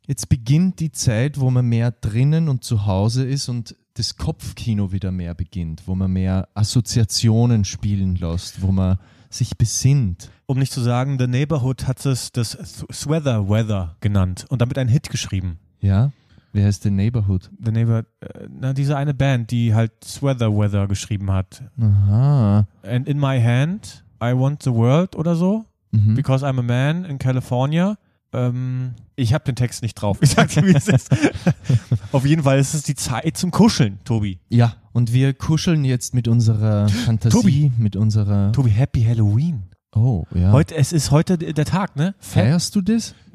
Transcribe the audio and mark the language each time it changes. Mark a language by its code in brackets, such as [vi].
[de] Jetzt beginnt die Zeit, wo man mehr drinnen und zu Hause ist und das Kopfkino wieder mehr beginnt, wo man mehr Assoziationen spielen lässt, wo man sich besinnt. Um nicht zu sagen, The Neighborhood hat es das Sweather Weather genannt und damit einen Hit geschrieben. Ja, wie heißt The Neighborhood? Diese eine Band, die halt Sweather Weather geschrieben hat. Aha. [en] And in my hand, I want the world [de] oder so, [en] because I'm a man in California. [de] Ich habe den Text nicht drauf, ich sag dir, wie es ist. Auf jeden Fall ist es die Zeit zum Kuscheln, Tobi. Ja, und wir kuscheln jetzt mit unserer Fantasie, Tobi, Happy Halloween. Oh, ja. Es ist heute der Tag, ne? Feierst du das?